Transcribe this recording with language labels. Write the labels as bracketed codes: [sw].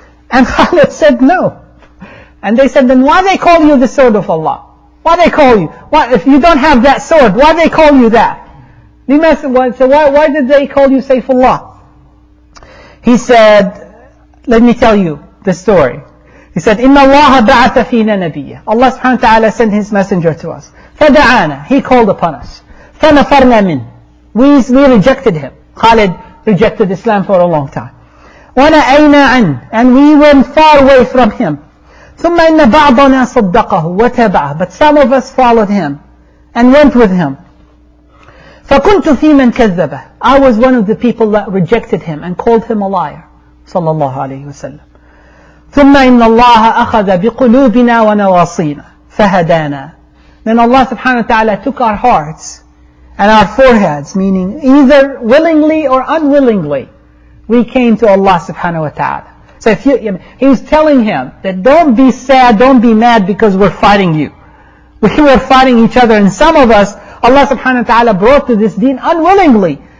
[en] And Khalid said, no. And they said, then why they call you the sword of Allah? Why they call you? Why, if you don't have that sword, why they call you that? So why did they call you Saifullah? He said, let me tell you the story. He said, [ar] إِنَّ اللَّهَ بَعَثَ فِينَا نَبِيَّ. [en] Allah subhanahu wa ta'ala sent his messenger to us. [ar] فَدَعَانَا. [en] He called upon us. [ar] فَنَفَرْنَا مِنْ. [en] We rejected him. Khalid rejected Islam for a long time. [ar] وَنَأَيْنَا عَنْ. [en] And we went far away from him. [ar] ثُمَّ إِنَّ بَعْضَنَا صَدَّقَهُ وَتَبَعَهُ. [en] But some of us followed him and went with him. [ar] فكنت في من كذبه. [en] I was one of the people that rejected him and called him a liar, [ar] صلى الله عليه وسلم. ثم إن الله أخذ بقلوبنا ونواصينا فهدانا. [en] Then Allah subhanahu wa ta'ala took our hearts and our foreheads, meaning either willingly or unwillingly, we came to Allah subhanahu wa ta'ala. So he's telling him that don't be sad, don't be mad because we're fighting you. We were fighting each other, and some of us Allah subhanahu wa ta'ala brought to this deen unwillingly.